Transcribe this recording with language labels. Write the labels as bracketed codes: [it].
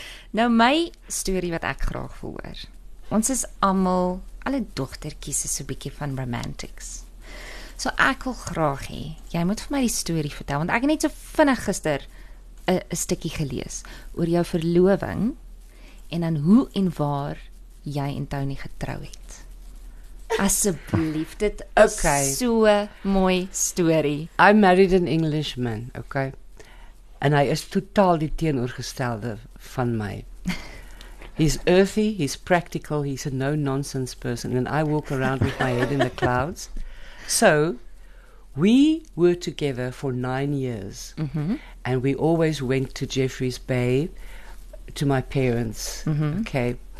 [af] Nou, my story wat ek graag wil hoor. Ons is allemaal, alle dogtertjies is so bietjie van romantics. So ek wil graag hê, jy moet vir my die story vertel, want ek het net so vinnig gister 'n stukkie gelees oor jou verloving en dan hoe en waar jy en Tony getrou het. Asseblief, dit is so mooi story. [en] I married an Englishman, okay? [af] And hy is totaal die teenoorgestelde van my. [en] He's earthy, he's practical, he's a no-nonsense person, and I walk around with my head in the clouds. So, we were together for 9 years, and we always went to Jeffreys Bay to my parents, okay?